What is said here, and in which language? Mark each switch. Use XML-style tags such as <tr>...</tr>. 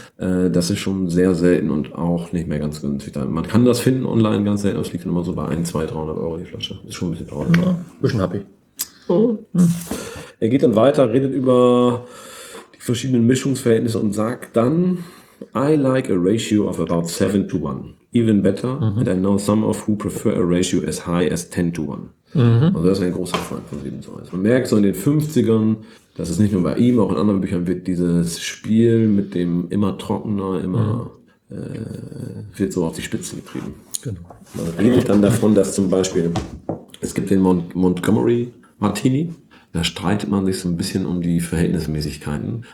<de>Das ist schon sehr selten und auch nicht mehr ganz günstig. Man kann das finden online ganz selten, aber es liegt immer so bei 1, 2, 300 Euro die Flasche. Ist schon ein bisschen traurig. Ja, bisschen happy. Oh. Er geht dann weiter, redet über die verschiedenen Mischungsverhältnisse und sagt dann,</de> <en>I like a ratio of about 7 to 1. Even better, and I know some of who prefer a ratio as high as 10 to 1. Mhm.</en> <de>Also das ist ein großer Freund von 7 zu 1. Man merkt so in den 50ern, das ist nicht nur bei ihm, auch in anderen Büchern wird dieses Spiel mit dem immer trockener, immer wird so auf die Spitze getrieben. Genau. Man redet dann davon, dass zum Beispiel, es gibt den Montgomery Martini, da streitet man sich so ein bisschen um die Verhältnismäßigkeiten.</de>